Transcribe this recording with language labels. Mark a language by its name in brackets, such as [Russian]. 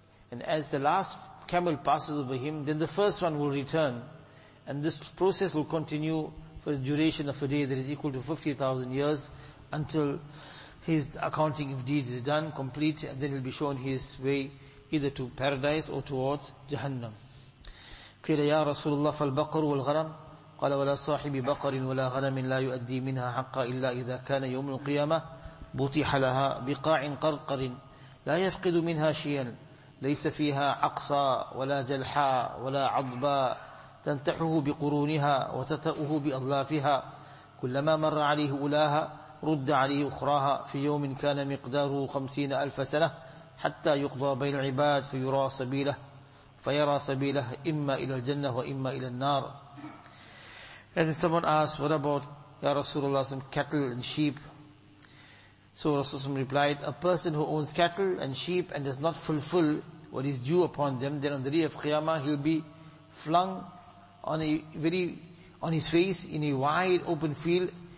[English] And as the last camel passes over him, then the first one will return. And this process will continue for the duration of a day that is equal to 50,000 years until his accounting of deeds is done, complete, and then he'll be shown his way either to paradise or towards Jahannam. [Arabic] قيل يا رسول الله فالبقر والغنم قال ولا صاحب بقر ولا غنم لا يؤدي منها حقا إلا إذا كان يوم القيامة بطح لها بقاع قرقر لا يفقد منها شيئا ليس فيها عقصى ولا جلحى ولا عضبى تنتحه بقرونها وتتأه بأظلافها كلما مر عليه أولاها رد عليه أخراها في يوم كان مقداره 50,000 سنة حتى يقضى بين العباد فيرى سبيله فَيَرَى سَبِيلَهُ إِمَّا إِلَى الْجَنَّةِ وَإِمَّا إِلَى النَّارِ. [English] And then someone asked, what about, Ya Rasulullah, some cattle and sheep? So Rasulullah replied, a person who owns cattle and sheep and does not fulfill what is due upon them, then on the day of Qiyamah, he'll be flung on his face in a wide open field.